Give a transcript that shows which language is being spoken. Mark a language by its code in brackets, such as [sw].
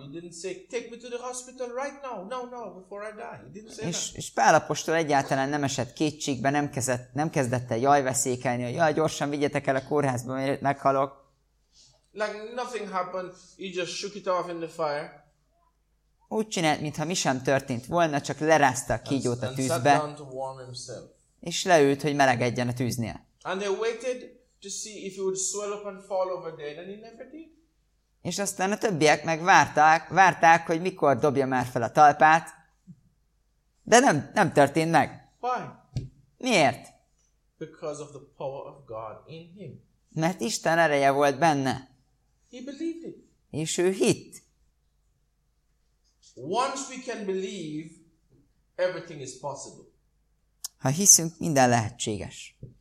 [en] He didn't say, take me to the hospital right now. No, before I die. He didn't say that. [hu] És Pál apostol egyáltalán nem esett kétségbe, nem kezdett el jaj veszékelni, hogy jaj, gyorsan vigyetek el a kórházba, mert meghalok. [en] Like nothing happened. He just shook it off in the fire. [hu] Úgy csinált, mintha mi sem történt volna, csak lerázta a kígyót a tűzbe. [en] And sat down to warm himself. [hu] És leült, hogy melegedjen a tűznél. [en] And they waited to see if it would swell up and fall over there, and it never did. [hu] És aztán a többiek meg várták, hogy mikor dobja már fel a talpát, de nem történt meg. [en] Why? [hu] Miért? [en] Because of the power of God in him. [hu] Mert Isten ereje volt benne. [en] He believed it. [hu] És ő hitt. [en] Once we can believe, everything is possible. [hu] Ha hiszünk, minden lehetséges.